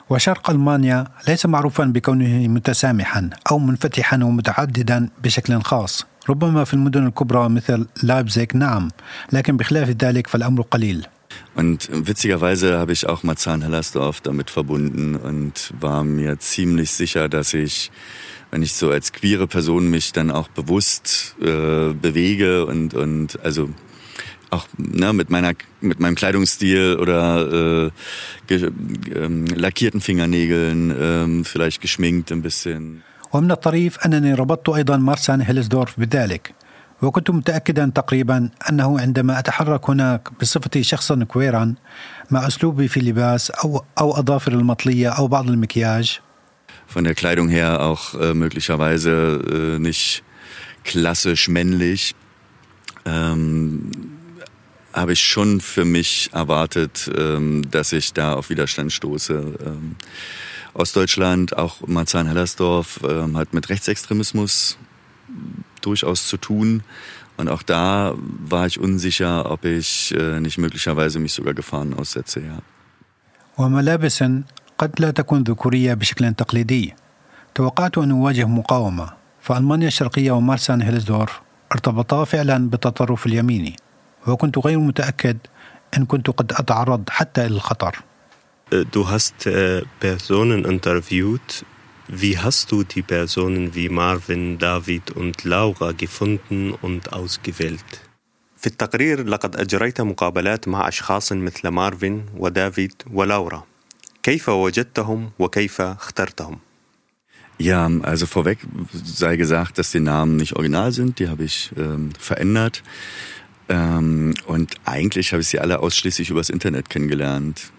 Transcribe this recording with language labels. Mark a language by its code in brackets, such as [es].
[ar] وشرق ألمانيا ليس معروفا بكونه متسامحا أو منفتحا ومتعددا بشكل خاص. ربما في المدن الكبرى مثل لايبزيغ نعم، لكن بخلاف ذلك فالأمر قليل. [de] Und witzigerweise habe ich auch Marzahn-Hellersdorf damit verbunden und war mir ziemlich sicher, dass ich, wenn ich so als queere Person mich dann auch bewusst bewege und also auch ne, mit meinem Kleidungsstil oder lackierten Fingernägeln, vielleicht geschminkt ein bisschen. [ar] ومن الطريف أنني ربطت أيضا مارسان هيلسدورف بذلك، وكنت متأكدا تقريبا أنه عندما أتحرك هناك بصفتي شخصا كويرا مع أسلوبي في اللباس أو أظافر المطلية أو بعض المكياج. [de] Von der Kleidung her auch möglicherweise nicht klassisch männlich, habe ich schon für mich erwartet, dass ich da auf Widerstand stoße. Ostdeutschland, auch Marzahn-Hellersdorf, hat mit Rechtsextremismus durchaus zu tun. Und auch da war ich unsicher, ob ich nicht möglicherweise mich sogar Gefahren aussetze. Ja. [ar] وملابسن قد لا تكون ذكورية بشكل تقليدي. توقعت أن أواجه مقاومة، فألمانيا الشرقية ومارسان هيلسدورف ارتبطا فعلا بالتطرف اليميني، وكنت غير متأكد أن كنت قد أتعرض حتى للخطر. [de] Du hast Personen interviewt. Wie hast du die Personen wie Marvin, David und Laura gefunden und ausgewählt? [ar] في التقرير لقد أجريت مقابلات مع أشخاص مثل مارفين وديفيد ولاورا. كيف وجدتهم وكيف اخترتهم؟ [de] Ja, also vorweg sei gesagt, dass die Namen nicht original sind. Die habe ich verändert. Und eigentlich habe ich sie alle ausschließlich übers Internet kennengelernt.